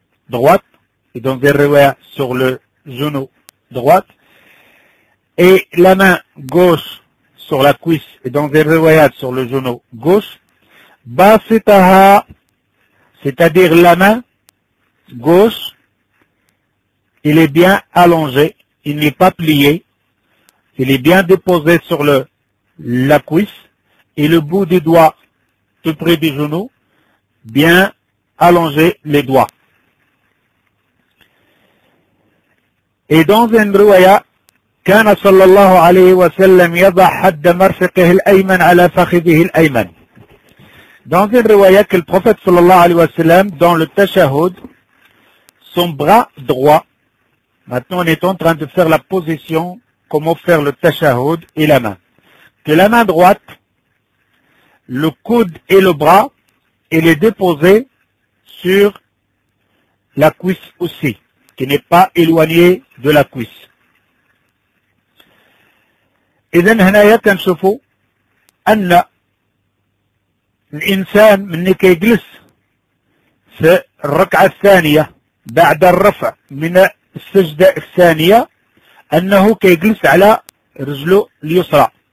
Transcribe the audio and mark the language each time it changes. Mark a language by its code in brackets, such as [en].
[fr] droite, et donc derrière sur le genou droit, et la main gauche sur la cuisse, et donc des riwayats sur le genou gauche, basitaha, c'est-à-dire la main gauche, il est bien allongé, il n'est pas plié, il est bien déposé sur la cuisse, et le bout du doigt, tout près du genou, bien allongé les doigts. Et dans un riwayat, [ar] كان صلى الله عليه وسلم يضع حد مرفقه الأيمن على فخذه الأيمن. [fr] Dans une riwaya que le prophète صلى الله عليه وسلم dans le tashahhud, son bras droit, maintenant on est en train de faire la position comment faire le tashahhud et la main, que la main droite, le coude et le bras, il est déposé sur la cuisse aussi, qui n'est pas éloigné de la cuisse. [ar] إذن هنا يكنشفوا أن الإنسان من كي يجلس في الركعة الثانية بعد الرفع من السجدة الثانية أنه كي يجلس على رجله اليسرى